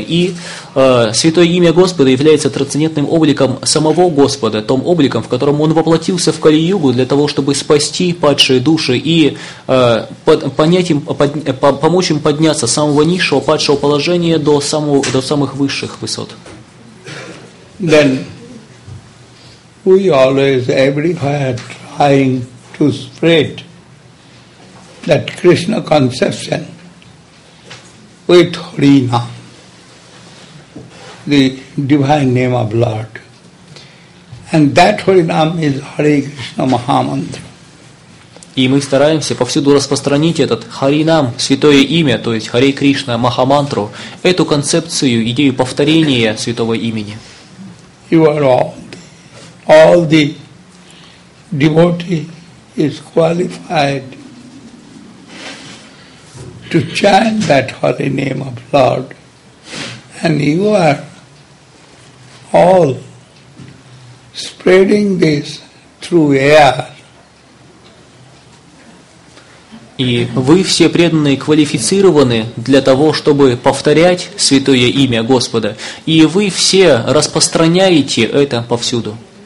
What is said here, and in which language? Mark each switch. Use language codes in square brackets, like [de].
[ru] И святое имя Господа является трансцендентным обликом самого Господа, том обликом, в котором Он воплотился в Кали-югу для того, чтобы спасти падшие души и помочь им подняться с самого низшего падшего положения до самых высших высот. [en] Then. We always, everywhere, trying to spread that Krishna conception with Harina, the divine name of Lord. And that Harina is Hare Krishna Mahamantra. [ru] И мы стараемся повсюду распространить этот Харинам, святое имя, то есть Харе Кришна Махамантру, эту концепцию, идею повторения святого имени. [en] You are all. All the devotee is qualified to chant that holy name of Lord, and you are all spreading this through air. [ru] И вы все преданные квалифицированы для того, чтобы повторять святое имя Господа, и вы все распространяете это повсюду.